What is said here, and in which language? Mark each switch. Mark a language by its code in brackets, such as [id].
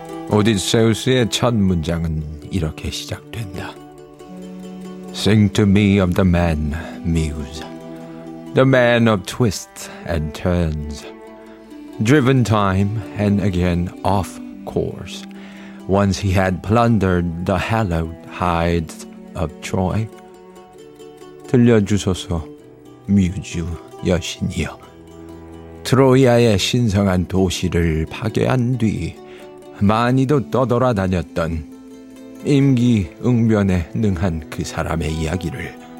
[ko] 오디세우스의 첫 문장은 이렇게 시작된다. [en] Sing to me of the man, Muse. The man of twists and turns. Driven time and again off course. Once he had plundered the hallowed hides of Troy. [ko] 들려주소서, Muse 여신이여. 트로이아의 신성한 도시를 파괴한 뒤 많이도 떠돌아다녔던 임기 응변에 능한 그 사람의 이야기를.